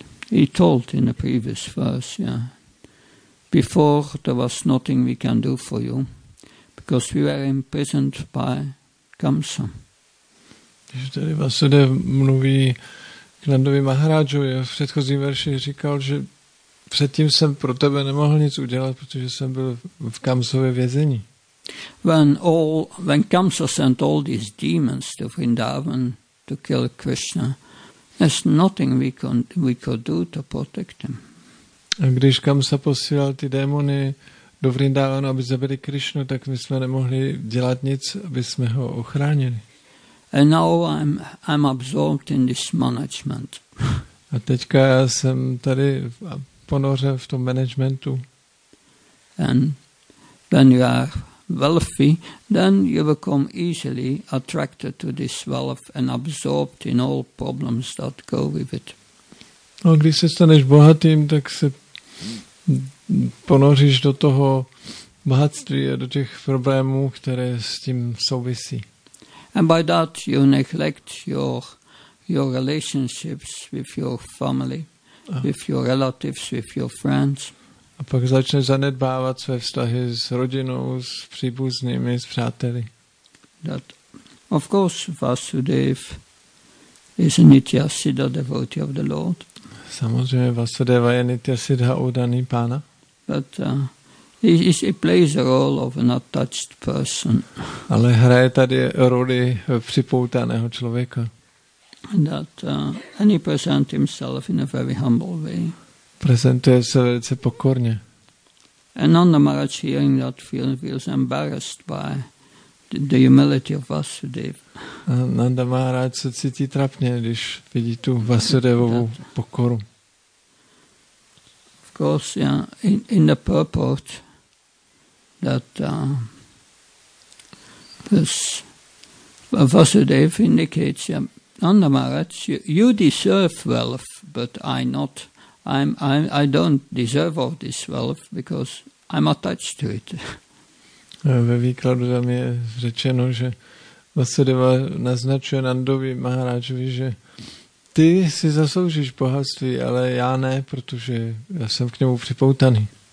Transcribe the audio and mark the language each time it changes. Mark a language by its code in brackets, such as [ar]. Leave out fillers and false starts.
[en] He told in the previous verse, yeah, before there was nothing we can do for you, because we were imprisoned by Kamsa. [cs] Tady Vasudev mluví k Nandovi Maharajovi, v předchozím verši říkal, že předtím jsem pro tebe nemohl nic udělat, protože jsem byl v Kamsově vězení. [en] When Kamsa sent all these demons to Vrindavan to kill Krishna, there's nothing we could do to protect him. [cs] A když Kamsa posílal ty démony do Vrindavan, aby zabili Krishnu, tak my jsme nemohli dělat nic, aby jsme ho ochránili. [en] And now I'm absorbed in this management. [cs] A teďka já jsem tady ponořen v tom managementu. [en] And when you are wealthy, then you become easily attracted to this wealth and absorbed in all problems that go with it. [cs] No, když se staneš bohatým, tak se ponoříš do toho bohatství a do těch problémů, které s tím souvisí. [en] And by that you neglect your relationships with your family. With your relatives, with your friends. [cs] A pak začneš zanedbávat své vztahy s rodinou, s příbuznými, s přáteli. [en] That, of course, Vasudev is a Nitya Siddha devotee of the Lord. [cs] Samozřejmě Vasudeva je Nitya Siddha udaný pána. [en] But he plays a role of an attached person. [cs] Ale hraje tady roli připoutaného člověka. [en] That and he presents himself in a very humble way. [cs] Prezentuje se velice pokorně. [en] And Nanda Maharaj hearing that feels embarrassed by the humility of Vasudeva. [cs] Nanda Maharaj se cítí trapně, když vidí tu Vasudevovu pokoru. [en] Of course, yeah, in the purport that this Vasudev indicates, yeah, Nanda Maharaj, you deserve wealth, but I not. I don't deserve all this wealth because I'm attached to it. [cs] Ve výkladu tam je řečeno, že Vasudeva naznačuje Nandovi Maharajovi, že ty si zasloužíš bohatství, ale já ne, protože já jsem k němu připoutaný.